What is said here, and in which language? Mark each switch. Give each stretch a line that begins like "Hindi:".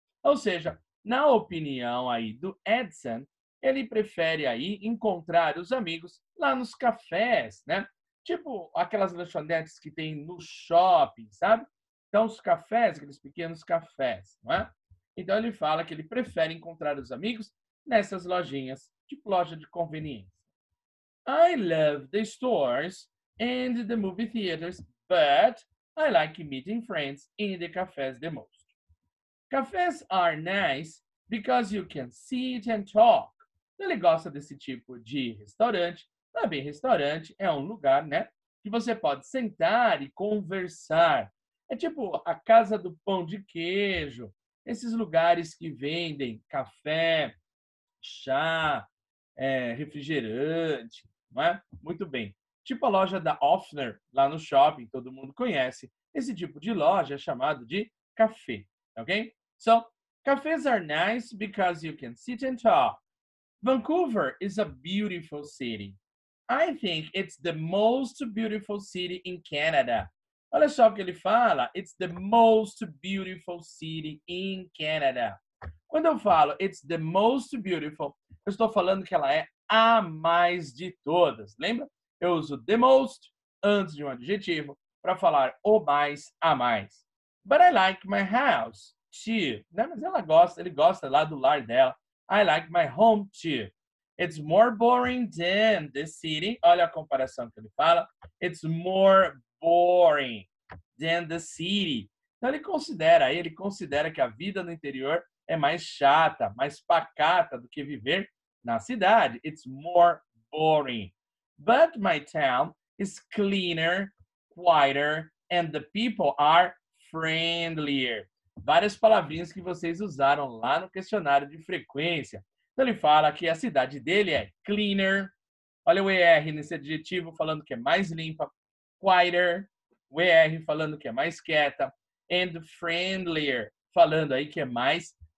Portuguese: Ou seja, na opinião aí do Edson, ele prefere aí encontrar os amigos lá nos cafés, né? Tipo aquelas lanchonetes que tem no shopping, sabe? Então, os cafés, aqueles pequenos cafés, não é? Então, ele fala que ele prefere encontrar os amigos nessas lojinhas, tipo loja de conveniência.
English: I love the stores and the movie theaters, but I like meeting friends in the cafes the most. Cafés are nice because you can sit and talk.
Portuguese: Ele gosta desse tipo de restaurante. Também restaurante é um lugar, né, que você pode sentar e conversar. É tipo a casa do pão de queijo, esses lugares que vendem café, chá, refrigerante, não é? Muito bem. Tipo a loja da Offner, lá no shopping, todo mundo conhece. Esse tipo de loja é chamado de café, ok?
English: So, cafés are nice because you can sit and talk. Vancouver is a beautiful city. I think it's the most beautiful city in Canada.
Portuguese: Olha só o que ele fala.
English: It's the most beautiful city in Canada.
Portuguese: Quando eu falo
English: it's the most beautiful,
Portuguese: eu estou falando que ela é a mais de todas. Lembra? Eu uso
English: the most
Portuguese: antes de um adjetivo para falar o mais, a mais.
English: But I like my house too.
Portuguese: Né? Mas ela gosta, ele gosta lá do lar dela.
English: I like my home too. It's more boring than the city.
Portuguese: Olha a comparação que ele fala.
English: It's more boring than the city.
Portuguese: Então ele considera que a vida no interior é mais chata, mais pacata do que viver na cidade.
English: It's more boring. But my town is cleaner, quieter, and the people are friendlier.
Portuguese: Várias palavrinhas que vocês usaram lá no questionário de frequência. Então ele fala que a cidade dele é cleaner. Olha o ER nesse adjetivo falando que é mais limpa. Quieter, o ER falando que é mais quieta,
English: and friendlier,
Portuguese: falando aí que é mais